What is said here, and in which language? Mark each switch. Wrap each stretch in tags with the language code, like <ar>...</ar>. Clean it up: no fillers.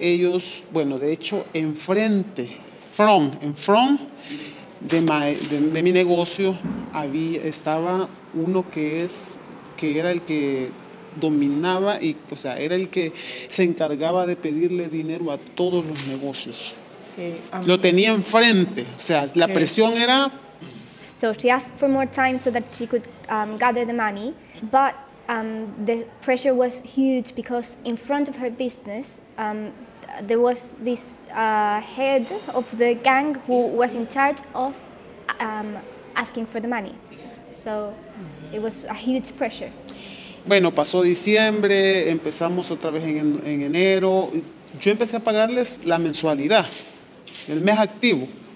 <es>Ellos, bueno, de hecho, en front de mi negocio había, estaba uno que era el que dominaba y, o sea, era el que se encargaba de pedirle dinero a todos los negocios. Lo tenía enfrente, o sea, la presión era.</es> <en>So she asked for more time so that she could gather the money, but the pressure was huge because in front of her business there was this head of the gang who was in charge of asking for the money. So it was a huge pressure.</en> <es>Bueno, pasó diciembre, empezamos otra vez en enero. Yo empecé a pagarles la mensualidad, el mes activo.</es>